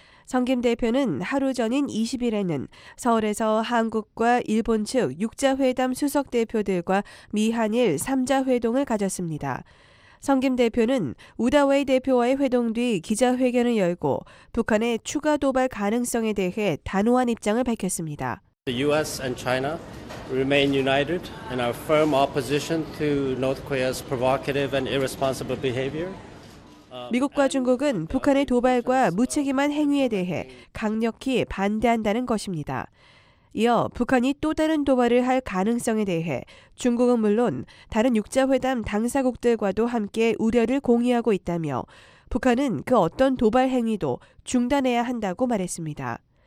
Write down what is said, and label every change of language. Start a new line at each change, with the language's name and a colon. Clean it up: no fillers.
Korean: 성김 대표는 하루 전인 20일에는 서울에서 한국과 일본 측 육자회담 수석대표들과 미한일 3자회동을 가졌습니다. 성김 대표는 우다웨이 대표와의 회동 뒤 기자회견을 열고 북한의 추가 도발 가능성에 대해 단호한 입장을 밝혔습니다.
English: The US and China remain united in our firm opposition to North Korea's provocative and irresponsible behavior.
Korean: 미국과 중국은 북한의 도발과 무책임한 행위에 대해 강력히 반대한다는 것입니다. 이어 북한이 또 다른 도발을 할 가능성에 대해 중국은 물론 다른 육자회담 당사국들과도 함께 우려를 공유하고 있다며 북한은 그 어떤 도발 행위도 중단해야 한다고 말했습니다.